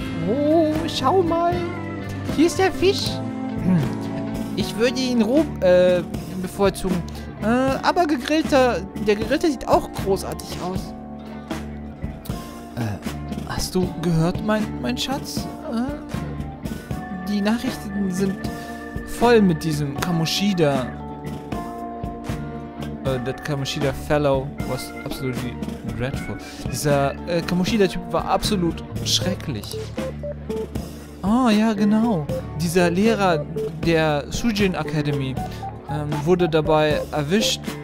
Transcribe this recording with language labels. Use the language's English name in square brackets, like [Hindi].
[German] Oh, schau mal. Hier ist der Fisch. Ich würde ihn roh bevorzugen. Aber der Gegrillte sieht auch großartig aus. Hast du gehört, mein Schatz? Die Nachrichten sind voll mit diesem Kamoshida. [English] That Kamoshida Fellow was absolutely dreadful. [German] Dieser Kamoshida-Typ war absolut schrecklich. Oh, ja, genau. Dieser Lehrer der Sujin Academy wurde dabei erwischt.